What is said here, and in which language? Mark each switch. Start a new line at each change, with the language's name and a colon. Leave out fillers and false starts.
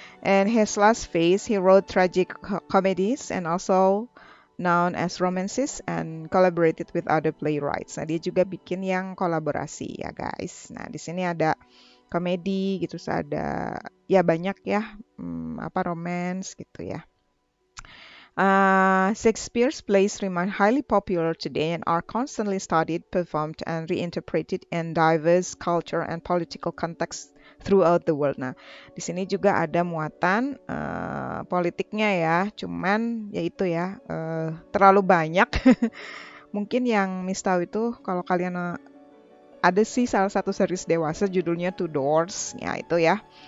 English: And his last phase, he wrote tragic comedies and also known as romances and collaborated with other playwrights.
Indonesian: Nah, dia juga bikin yang kolaborasi ya guys. Nah, di sini ada komedi gitu, ada ya banyak ya, apa romance gitu ya.
English: Shakespeare's plays remain highly popular today and are constantly studied, performed, and reinterpreted in diverse culture and political contexts throughout the world.
Indonesian: Nah, di sini juga ada muatan politiknya ya, cuman yaitu ya, terlalu banyak. Mungkin yang Miss tahu itu kalau kalian ada sih salah satu series dewasa judulnya Two Doors, ya itu ya.